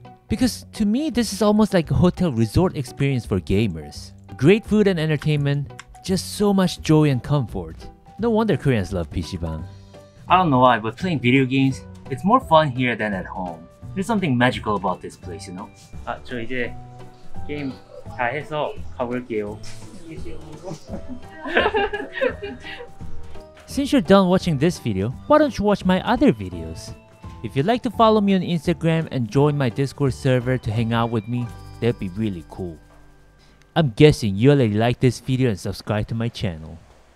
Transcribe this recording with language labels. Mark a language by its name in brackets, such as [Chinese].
[English] Because to me, this is almost like a hotel resort experience for gamers. Great food and entertainment, just so much joy and comfort. No wonder Koreans love PC방. I don't know why, but playing video games, it's more fun here than at home. There's something magical about this place, you know? [Korean] 아, 저 이제 게임 다 해서 가볼게요. [English] Since you're done watching this video, why don't you watch my other videos? If you'd like to follow me on Instagram and join my Discord server to hang out with me, that'd be really cool. I'm guessing you already liked this video and subscribed to my channel.